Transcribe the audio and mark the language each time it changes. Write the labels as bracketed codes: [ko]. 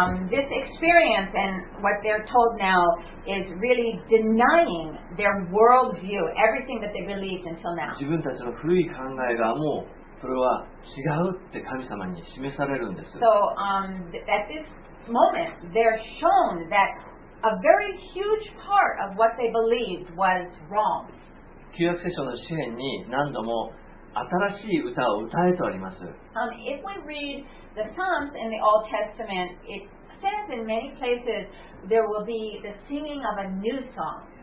[en] This experience and what they're told now is really denying their worldview, everything that they believed until now. [ja] 自分たちの古い考えがもうそれは違うって神様に示されるんです。 [en] So, at this moment, they're shown that a very huge part of what they believed was wrong. [ja] 旧約聖書の詩篇に何度も新しい歌を歌えとあります。 [en] If we read the Psalms in the Old Testament, it says in many places there will be the singing of a new song.